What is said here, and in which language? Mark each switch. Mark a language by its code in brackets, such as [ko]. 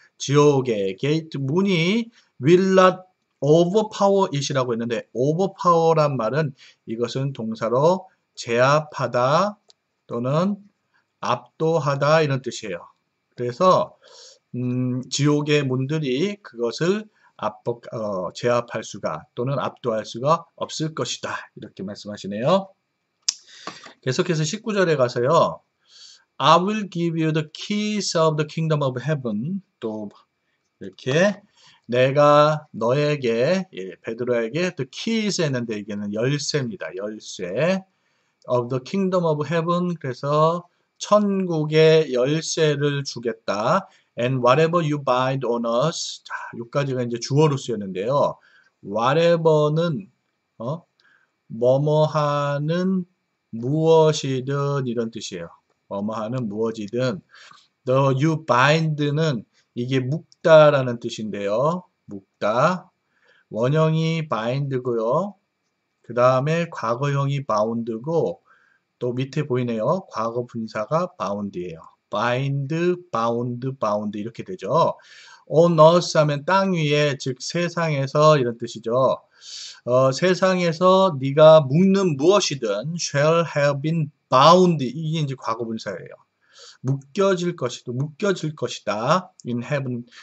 [ko] 지옥의 게이트 문이 [en] will not overpower it [ko] 이라고 했는데 overpower란 말은 이것은 동사로 제압하다 또는 압도하다 이런 뜻이에요. 그래서 지옥의 문들이 그것을 제압할 수가 또는 압도할 수가 없을 것이다. 이렇게 말씀하시네요. 계속해서 19절에 가서요. [en] I will give you the keys of the kingdom of heaven. [ko] 또 이렇게 내가 너에게 예, 베드로에게 the keys 했는데 이게는 열쇠입니다. 열쇠 of the kingdom of heaven. 그래서 천국의 열쇠를 주겠다. [en] And whatever you bind on us. [ko] 자, 여기까지가 이제 주어로 쓰였는데요. Whatever는, 뭐뭐 하는 무엇이든 이런 뜻이에요. 뭐뭐 하는 무엇이든. [en] The you bind [ko] 는 이게 묶다라는 뜻인데요. 묶다. 원형이 bind고요. 그 다음에 과거형이 bound고, 또 밑에 보이네요. 과거 분사가 bound이에요. bind, bound, bound 이렇게 되죠. on earth 하면 땅 위에, 즉 세상에서 이런 뜻이죠. 세상에서 네가 묶는 무엇이든 [en] shall have been bound. [ko] 이게 이제 과거 분사예요. 묶여질 것이다. 묶여질 것이다. [en] in heaven.